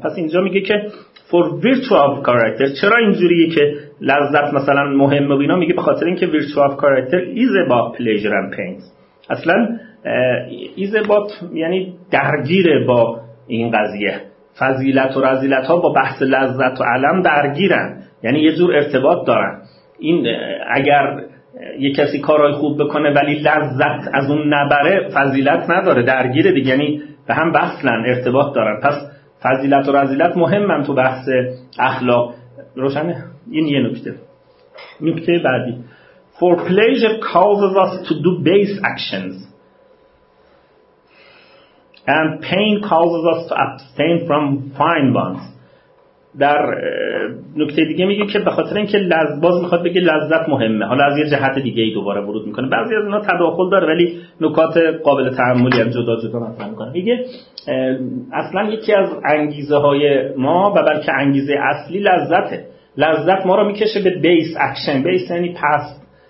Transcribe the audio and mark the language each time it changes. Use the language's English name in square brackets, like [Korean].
[Persian] پس اینجا میگه که [English] for virtue of character، [Persian] چرا اینجوریه که لذت مثلا مهمه و اینا، میگه به خاطر اینکه [English] virtue of character is about pleasure and pain، [Persian] اصلا [English] is about [Persian] یعنی درگیره با این قضیه، فضیلت و رذیلت ها با بحث لذت و الم درگیرن، یعنی یه جور ارتباط دارن. این اگر یه کسی کارهای خوب بکنه ولی لذت از اون نبره، فضیلت نداره، درگیره دیگه، یعنی به هم بحثن، ارتباط دارن. پس فضیلت و رذیلت مهمن تو بحث اخلاق، روشنه؟ این یه نکته. نکته بعدی [English] for pleasure causes us to do base actions and pain causes us to abstain from fine ones. [Persian] در نکته دیگه میگه که به خاطر اینکه لذت، باز میخواد بگه لذت مهمه، حالا از یه جهت دیگه ای دوباره ورود میکنه، بعضی از اینا تداخل داره ولی نکات قابل تعملی هم جدا جدا مطرح میکنه، میگه اصلا یکی از انگیزه های ما و بلکه انگیزه اصلی لذته، لذت ما رو میکشه به بیس اکشن، بیس یعنی پس